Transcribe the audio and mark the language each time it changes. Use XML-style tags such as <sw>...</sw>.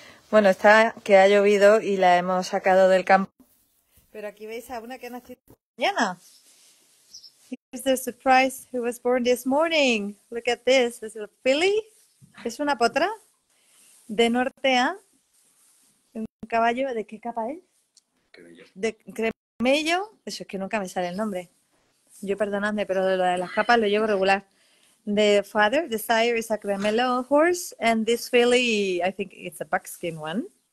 <es>Bueno, está que ha llovido y la hemos sacado del campo. Pero aquí veis a una que ha nacido mañana.</es> <en>Here's the surprise who was born this morning. Look at this.</en> <es>Es una</es> <en>filly.</en> <es>Es una potra de norte a un caballo. ¿De qué capa es? De cremello. Eso es que nunca me sale el nombre. Yo perdonadme, pero lo de las capas lo llevo regular.</es> <en>The father, the sire is a cremello horse, and this filly, I think it's a buckskin one.</en>